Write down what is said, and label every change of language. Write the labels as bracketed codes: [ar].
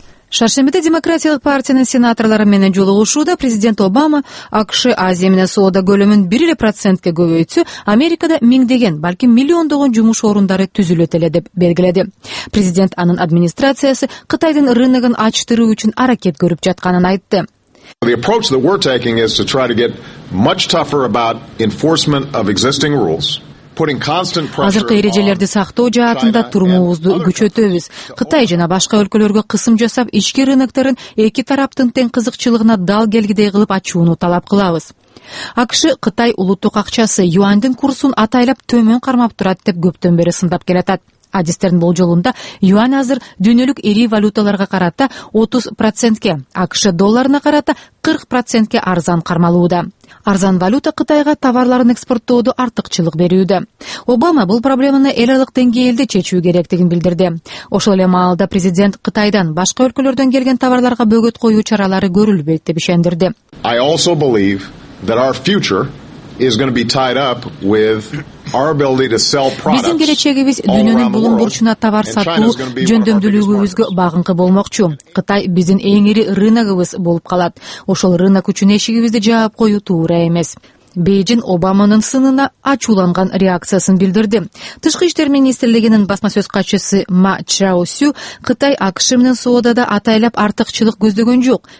[ky] Шаршембиде демократиялык партиянын сенаторлору менен жолугушууда президент Обама АКШ Азия менен соода көлөмүн 1% көбөйтсө, Америкада миңдеген, балким миллиондогон жумуш орундары түзүлөт эле деп белгиледи. Президент анын администрациясы Кытайдын рыногун ачтыруу үчүн аракет көрүп жатканын айтты. [en] The approach that we're taking is to try to get much tougher about enforcement of existing rules. [ky] Азыркы эрежелерди сактоо жаатында турмубузду күчөтөбүз. Кытай жана башка өлкөлөргө кысым жасап, ички рыноктарын эки тараптын тең кызыкчылыгына дал келгидей кылып ачууну талап кылабыз. АКШ Кытай улуттук акчасы юандын курсун атайлап төмөн кармап турат деп көптөн бери сындап келатат. Адистердин болжолунда юань азыр дүйнөлүк ири валюталарга карата 30%, АКШ долларына карата 40% арзан кармалууда. Арзан валюта Кытайга товарларын экспорттоодо артыкчылык берүүдө. Обама бул проблеманы эл аралык деңгээлде чечүү керектигин билдирди. Ошол эле маалда президент Кытайдан башка өлкөлөрдөн келген товарларга бөгөт коюу чаралары көрүлбөйт деп ишендирди. [en] I also believe that our future is going to be tied up with our ability to sell products. [ky] Биздин келечегибиз дүйнөнүн булун бурчуна товар сатуу жөндөмдүүлүгүбүзгө багынкы болмокчу. Кытай биздин эң ири рыногубуз болуп калат. Ошол рынок үчүн эшигибизди жаап коюу туура эмес. Бээжин Обаманын сынына ачууланган реакциясын билдирди. Тышкы иштер министрлигинин басма сөз катчысы Ма Чаосю Кытай АКШ менен соодада атайлап артыкчылык көздөгөн жок.